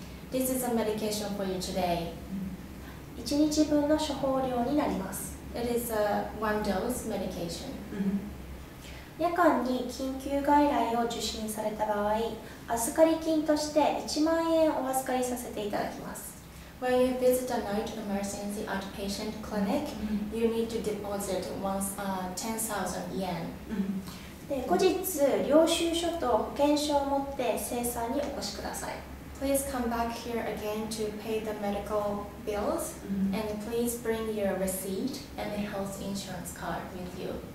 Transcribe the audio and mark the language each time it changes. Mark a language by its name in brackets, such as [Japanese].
[English] This is a medication for you today. [Japanese] 1日分の処方量になります。 [English] It is a one dose medication. [Japanese] 夜間に緊急外来を受診された場合、預かり金として1万円お預かりさせていただきます。 [English] When you visit a night emergency outpatient clinic, you need to deposit 10,000 yen. [Japanese] で、後日、領収書と保険証を持って精算にお越しください。 [English] Please come back here again to pay the medical bills, and please bring your receipt and a health insurance card with you.